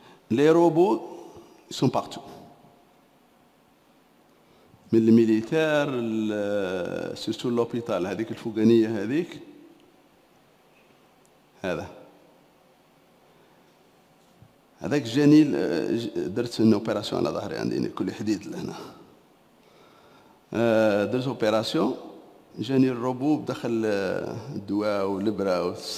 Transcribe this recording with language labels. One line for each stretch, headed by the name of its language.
French: Les robots ils sont partout. Mais les militaires, surtout l'hôpital,
Arabic: هذيك الفوقانية هذيك هذا. هذاك جاني درت
French: une opération
Arabic: على ظهري عندي كل حديد لهنا.
French: Deux opérations, j'ai un robot dans le doigt ou le bras.